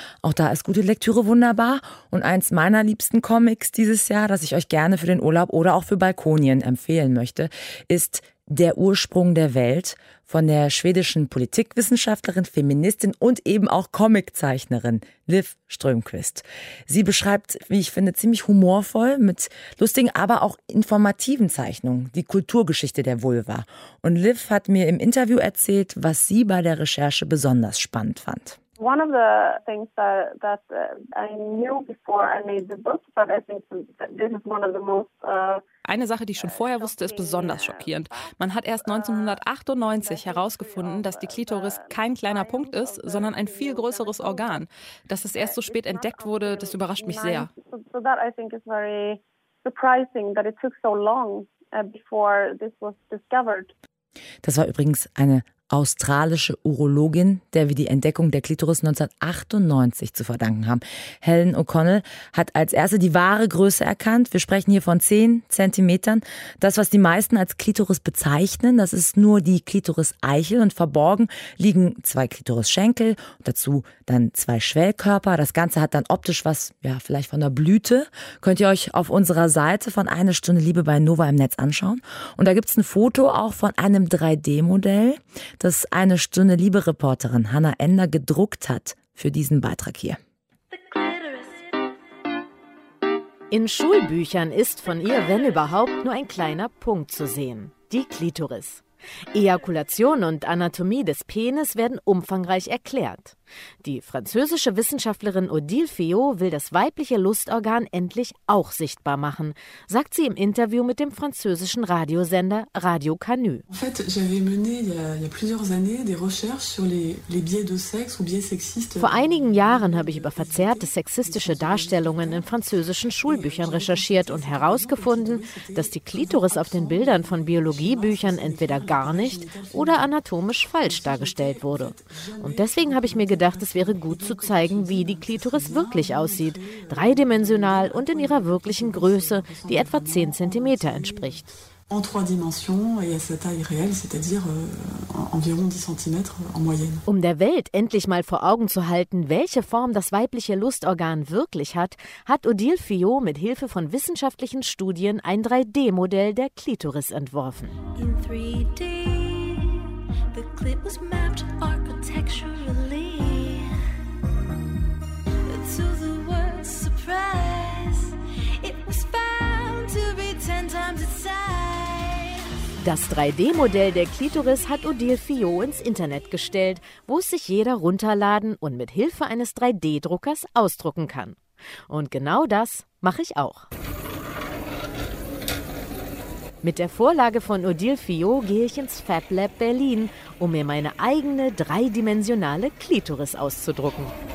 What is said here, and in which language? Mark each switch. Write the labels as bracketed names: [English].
[German] Auch da ist gute Lektüre wunderbar. Und eins meiner liebsten Comics dieses Jahr, das ich euch gerne für den Urlaub oder auch für Balkonien empfehlen möchte, ist Der Ursprung der Welt von der schwedischen Politikwissenschaftlerin, Feministin und eben auch Comiczeichnerin Liv Strömquist. Sie beschreibt, wie ich finde, ziemlich humorvoll mit lustigen, aber auch informativen Zeichnungen die Kulturgeschichte der Vulva. Und Liv hat mir im Interview erzählt, was sie bei der Recherche besonders spannend fand. [English] One of the things that I knew before I made the book, but I think this is one of the most [German] Eine Sache, die ich schon vorher wusste, ist besonders schockierend. Man hat erst 1998 herausgefunden, dass die Klitoris kein kleiner Punkt ist, sondern ein viel größeres Organ. Dass es erst so spät entdeckt wurde, das überrascht mich sehr. [English] So that I think is very surprising that it took so long before this was discovered. [German] Das war übrigens eine australische Urologin, der wir die Entdeckung der Klitoris 1998 zu verdanken haben. Helen O'Connell hat als erste die wahre Größe erkannt. Wir sprechen hier von 10 Zentimetern. Das, was die meisten als Klitoris bezeichnen, das ist nur die Klitoris-Eichel. Und verborgen liegen 2 Klitoris-Schenkel, dazu dann 2 Schwellkörper. Das Ganze hat dann optisch was, ja, vielleicht von der Blüte. Könnt ihr euch auf unserer Seite von Eine Stunde Liebe bei Nova im Netz anschauen. Und da gibt's ein Foto auch von einem 3D-Modell, das Eine Stunde Liebe-Reporterin Hannah Ender gedruckt hat für diesen Beitrag hier. In Schulbüchern ist von ihr, wenn überhaupt, nur ein kleiner Punkt zu sehen. Die Klitoris. Ejakulation und Anatomie des Penis werden umfangreich erklärt. Die französische Wissenschaftlerin Odile Feot will das weibliche Lustorgan endlich auch sichtbar machen, sagt sie im Interview mit dem französischen Radiosender Radio Canu. [French] En fait, j'avais mené il y a plusieurs années des recherches sur les biais de sexe ou biais sexistes. [German] Vor einigen Jahren habe ich über verzerrte sexistische Darstellungen in französischen Schulbüchern recherchiert und herausgefunden, dass die Klitoris auf den Bildern von Biologiebüchern entweder gar nicht oder anatomisch falsch dargestellt wurde. Und deswegen habe ich mir gedacht, es wäre gut zu zeigen, wie die Klitoris wirklich aussieht, dreidimensional und in ihrer wirklichen Größe, die etwa 10 cm entspricht. [French] en trois dimensions et à sa taille réelle, c'est-à-dire environ 10 cm en moyenne. [German] Um der Welt endlich mal vor Augen zu halten, welche Form das weibliche Lustorgan wirklich hat, hat Odile Fillot mit Hilfe von wissenschaftlichen Studien ein 3D-Modell der Klitoris entworfen. [English] In 3D, the clit was mapped architecturally. To the world's surprise, it was found to be 10 times its size. [German] Das 3D-Modell der Klitoris hat Odile Fillot ins Internet gestellt, wo es sich jeder runterladen und mit Hilfe eines 3D-Druckers ausdrucken kann. Und genau das mache ich auch. Mit der Vorlage von Odile Fillot gehe ich ins Fab Lab Berlin, um mir meine eigene dreidimensionale Klitoris auszudrucken.